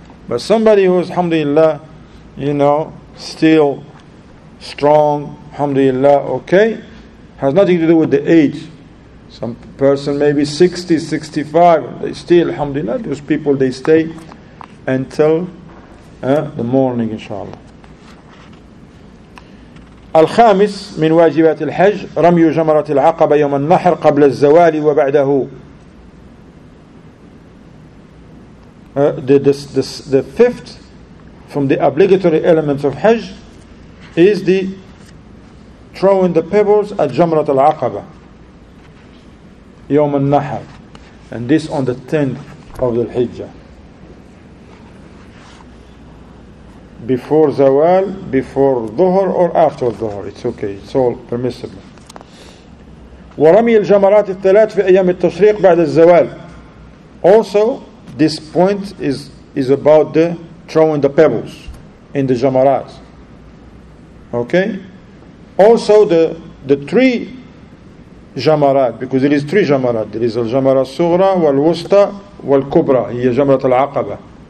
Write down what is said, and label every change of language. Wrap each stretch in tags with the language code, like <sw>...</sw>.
<en>But somebody who is, alhamdulillah, you know, still strong, alhamdulillah, okay, has nothing to do with the age. Some person maybe 60, 65, they still, alhamdulillah, those people, they stay until the morning, inshallah.</en> <ar>الخامس من واجبات الحج رمي جمرة العقبة يوم النحر قبل الزوال وبعده.</ar> <en>The fifth from the obligatory elements of Hajj is the throwing the pebbles at</en> <ar>جمرة العقبة يوم النحر,</ar> <en>and this on the 10th of the Hijjah. Before Zawal, before Dhuhr, or after Dhuhr. It's okay. It's all permissible. ورمي الجمرات الثلاث في أيام التشريق بعد الزوال. Also, this point is about the throwing the pebbles in the jamarat. Okay? Also, the three jamarat, because there is three jamarat. There is al-jamarat sughra, wal-wusta, wal-kubra.</en> <ar>هي جمرة العقبة.</ar>